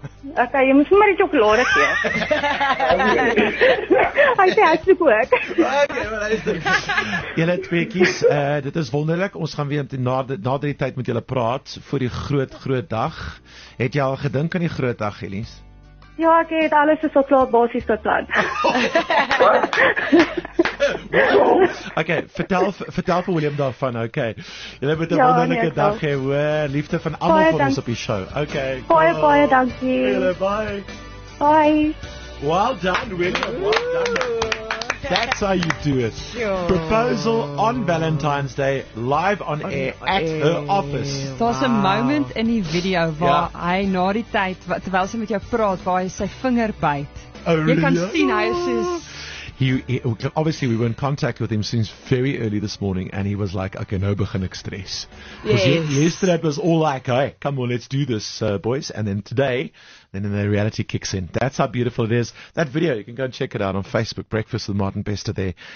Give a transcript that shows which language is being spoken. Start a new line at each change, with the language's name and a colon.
Afrikaans: Ok, jy moet maar die chocolade gee. Hy sê, hy soek ook. Julle tweekies, dit is wonderlik. Ons gaan weer na die tyd met julle praat vir die groot dag. Het jy al gedink aan die groot dag, Elise? Ja, ek het alles is al klaar basies tot plan. Okay, vertel vir William daarvan, okay. Julle het 'n wonderlike dag hê, hoor. Liefde van almal van ons op die show. Okay. Baie dankie.
English: Bye. Well done, William. Well done. That's how you do it. Sure. Proposal on Valentine's Day, live on air at her office. There's a moment in the video where
Afrikaans: hy na die tyd, terwyl sy met jou praat, waar hy sy vinger byt.
English: Really?
Afrikaans: Jy kan sien hy is soos...
English: Obviously, we were in contact with him since very early this morning, and he was like, okay,
Afrikaans: nou begin ek stres.
English: Yes. Yesterday it was all like, hey, come on, let's do this, boys. And then today, then the reality kicks in. That's how beautiful it is. That video, you can go and check it out on Facebook, Breakfast with Martin Bester there.